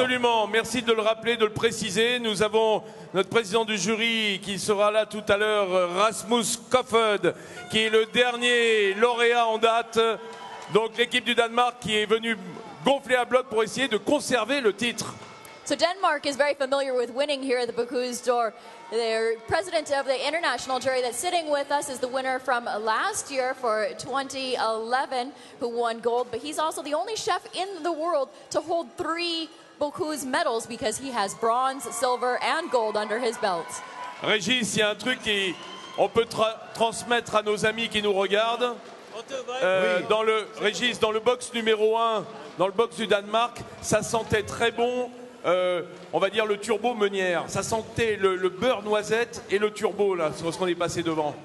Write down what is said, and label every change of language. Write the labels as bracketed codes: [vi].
[fr] Absolument, merci de le rappeler, de le préciser. Nous avons notre président du jury qui sera là tout à l'heure, Rasmus Kofod, qui est le dernier lauréat en date. Donc l'équipe du Danemark qui est venue gonfler à bloc pour essayer de conserver le titre. [en] So Denmark is very familiar with winning here at the Bocuse d'Or. Their president of the international jury that's sitting with us is the winner from last year for 2011, who won gold. But he's also the only chef in the world to hold 3 Bocuse medals because he has bronze, silver and gold under his belt. [fr] Régis, il y a un truc qu'on peut transmettre à nos amis qui nous regardent. Régis, dans le box numéro 1, dans le box du Danemark, ça sentait très bon. On va dire le turbo meunière, ça sentait le beurre noisette et le turbo là, ce qu'on est passé devant.